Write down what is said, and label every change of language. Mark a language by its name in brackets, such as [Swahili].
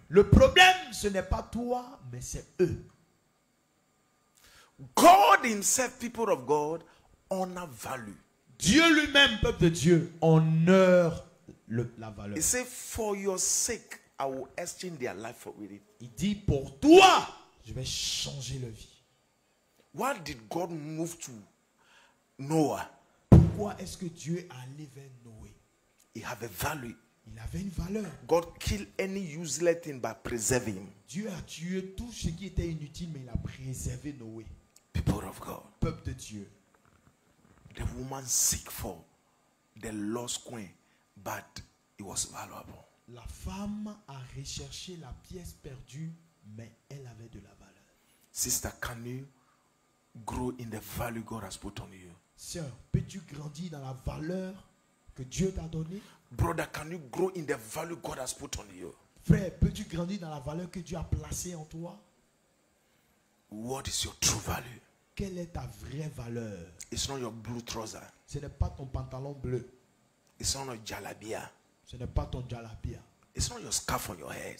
[French] Le problème ce n'est pas toi, mais c'est eux. [English] God himself, people of God, honor value. [French] Dieu lui-même, peuple de Dieu, honore la valeur. [English] He said, for your sake, I will exchange their life for it. [French] Il dit, pour toi, je vais changer leur vie. [English] Why did God move to Noah? [French] Pourquoi est-ce que Dieu a allé vers Noé? [English] He had a value. [French] Il avait une valeur. [English] God killed any useless thing by preserving. [French] Dieu a tué tout ce qui était inutile, mais il a préservé Noé. [English] People of God. [French] Peuple de Dieu. [English] The woman seek for the lost coin, but it was valuable. [French] La femme a recherché la pièce perdue, mais elle avait de la valeur. [English] Sister, can you grow in the value God has put on you? [French] Sœur, peux-tu grandir dans la valeur que Dieu t'a donnée? [English] Brother, can you grow in the value God has put on you? [French] Frère, peux-tu grandir dans la valeur que Dieu a placée en toi? [English] What is your true value? [French] Quelle est ta vraie valeur? [English] It's not your blue trouser. [French] Ce n'est pas ton pantalon bleu. [English] It's not your jalabia. [French] Ce n'est pas ton jalabia. [English] It's not your scarf on your head.